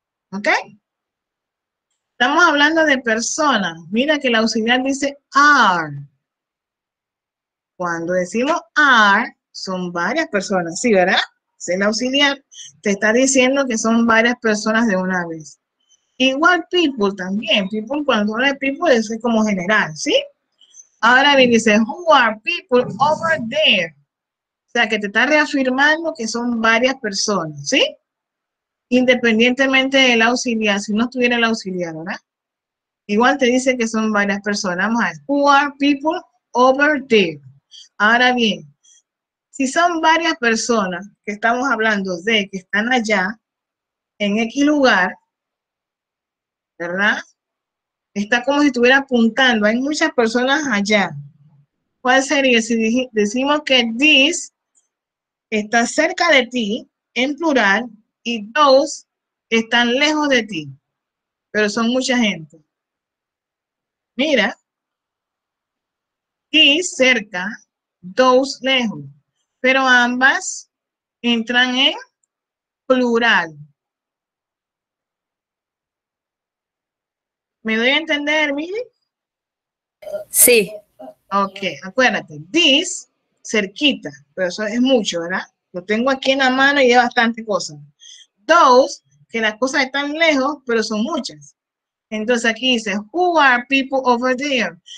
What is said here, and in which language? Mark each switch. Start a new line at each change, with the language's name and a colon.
Spanish: ¿Ok? Estamos hablando de personas. Mira que la auxiliar dice are. Cuando decimos are, son varias personas. ¿Sí, verdad? Si el auxiliar te está diciendo que son varias personas de una vez. Igual people también. People, cuando habla de people, es como general. ¿Sí? Ahora bien, dice,
English: who are people over there?
Spanish: O sea, que te está reafirmando que son varias personas, ¿sí? Independientemente del auxiliar, si no estuviera el auxiliar, ¿verdad? Igual te dice que son varias personas. Vamos a ver,
English: who are people over there?
Spanish: Ahora bien, si son varias personas que estamos hablando de que están allá, en X lugar, ¿verdad? Está como si estuviera apuntando. Hay muchas personas allá. ¿Cuál sería? Si decimos que this está cerca de ti, en plural, y those están lejos de ti. Pero son mucha gente. Mira. This cerca, those lejos. Pero ambas entran en plural. ¿Me doy a entender, Mili? Sí. Ok, acuérdate. This, cerquita. Pero eso es mucho, ¿verdad? Lo tengo aquí en la mano y es bastante cosa. Those, que las cosas están lejos, pero son muchas. Entonces aquí dice,
English: who are people over there?